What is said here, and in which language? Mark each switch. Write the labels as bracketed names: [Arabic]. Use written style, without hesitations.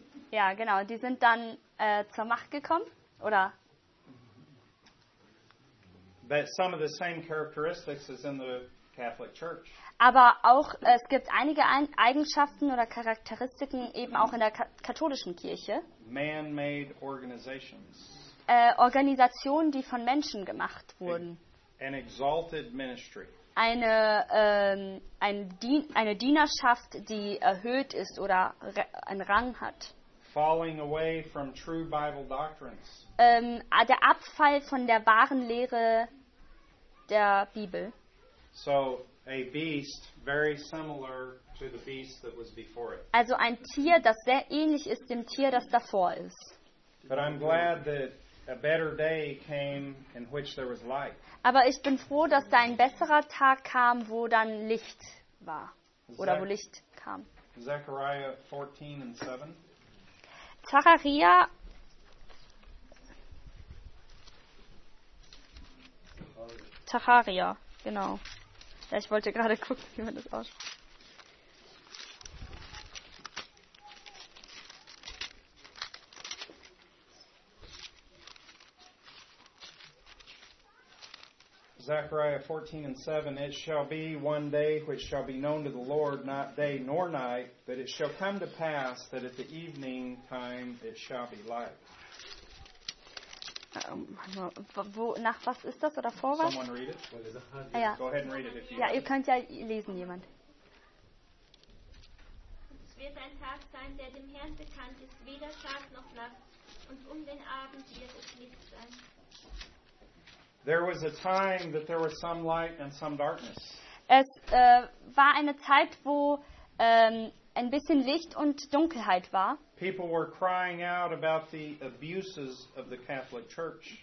[German] Ja, genau. Die sind dann zur Macht gekommen, oder? [English] But some of the same characteristics as in the Catholic Church. [German] Aber auch, es gibt einige Eigenschaften oder Charakteristiken eben auch in der katholischen Kirche. [English] Man-made organizations. [German] Organisationen, die von Menschen gemacht wurden. [English] An exalted ministry. [German] Eine Dienerschaft, die erhöht ist oder einen Rang hat. [English] Falling away from true Bible doctrines. [German] Der Abfall von der wahren Lehre der Bibel. [English] So, a beast very similar to the beast that was before it. [German] Also ein Tier, das sehr ähnlich ist dem Tier, das davor ist. [English] But I'm glad that a better day came in which there was light. [German] Aber ich bin froh, dass da ein besserer Tag kam, wo dann Licht war. Oder wo Licht kam. [English] Zechariah 14 and 7. [German] Zechariah 14:7. Genau. Ja, ich wollte gerade gucken, wie man das ausspricht. [English] Zechariah 14 and 7, it shall be one day which shall be known to the Lord, not day nor night, but it shall come to pass that at the evening time it shall be light. [German] Nach was ist das oder vor was? [English] Someone read it. [German] Ah, ja. [English] Go ahead and read it if you [German] ja, ihr könnt ja lesen, jemand. Es wird ein Tag sein, der dem Herrn bekannt ist, weder Tag noch Nacht, und um den Abend wird es Licht sein. [English] There was a time that there was some light and some darkness. [German] Es war eine Zeit, wo ein bisschen Licht und Dunkelheit war. [English] People were crying out about the abuses of the Catholic Church.